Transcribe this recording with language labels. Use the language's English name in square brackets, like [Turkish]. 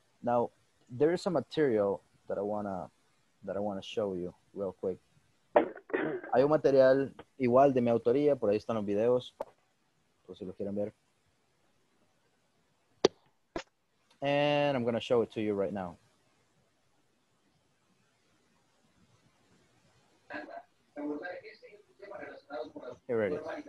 [English] Now, there is a material that I wanna show you real quick. [Spanish] Hay un material igual de mi autoría, por ahí están los videos, por si lo quieren ver. [English] And I'm gonna show it to you right now. Here it is.